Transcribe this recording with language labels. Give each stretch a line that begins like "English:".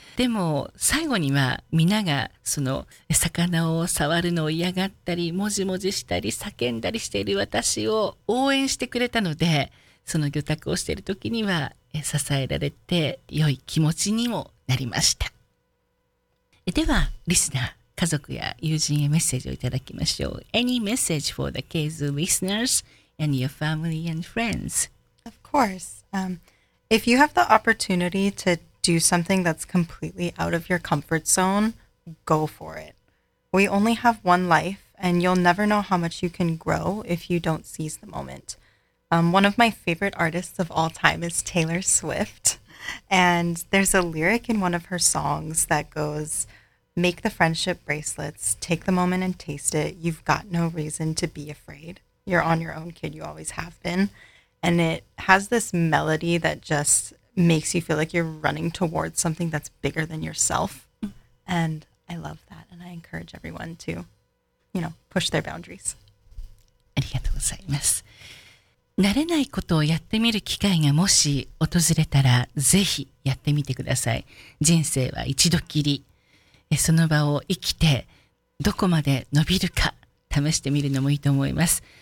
Japanese: でも最後にはみんながその魚を触るのを嫌がったりもじもじしたり叫んだりしている私を応援してくれたので、その魚拓をしている時には支えられて良い気持ちにもなりました。ではリスナー、家族や友人へメッセージをいただきましょう。
English: Any message for the K's listeners and your family and friends? Of course. If you have the opportunity to do something that's completely out of your comfort zone, go for it. We only have one life and you'll never know how much you can grow if you don't seize the moment. One of my favorite artists of all time is Taylor Swift. And there's a lyric in one of her songs that goes, make the friendship bracelets, take the moment and taste it. You've got no reason to be afraid. You're on your own, kid. You always have been. And it has this melody that just makes you feel like you're running towards something that's bigger than yourself. And I love that. And I encourage everyone to, you know, push their boundaries.
Japanese: ありがとうございます。慣れないことをやってみる機会がもし訪れたら、ぜひやってみてください。人生は一度きり。その場を生きて、どこまで伸びるか試してみるのもいいと思います。